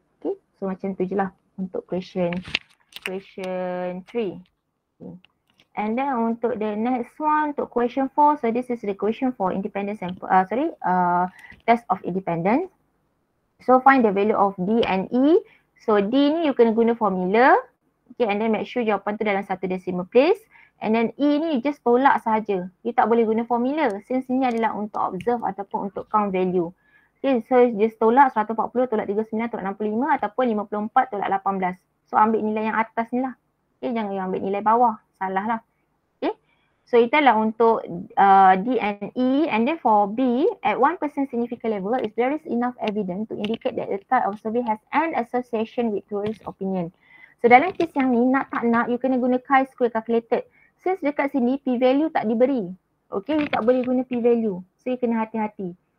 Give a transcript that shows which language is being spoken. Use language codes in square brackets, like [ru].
[ms] Okay, so macam tu je lah untuk question 3. [en] Okay. And then [ms] untuk [en] the next one, untuk question 4. So this is the question for independent sample, test of independence. So find the value of D and E. So D ni you [ms] kena guna [en] formula. Okay, and then make sure [ms] jawapan tu dalam satu [en] decimal place. [ms] And then E ni you just tolak sahaja. You tak boleh guna formula. Since ini adalah untuk observe ataupun untuk count value. Okay, so just tolak 140, tolak 39, tolak 65 ataupun 54, tolak 18. So ambil nilai yang atas ni lah. Okay, jangan you ambil nilai bawah. Salah lah. Okay. So itu adalah untuk [en] D and E. And then for B, at 1% significant level, if there is enough evidence to indicate that the type of survey has an association with tourist opinion. [ms] So dalam kes yang ni, nak tak nak, you kena guna chi-square calculated. Since dekat sini, p-value tak diberi. Okay, you tak boleh guna p-value. So you kena hati-hati.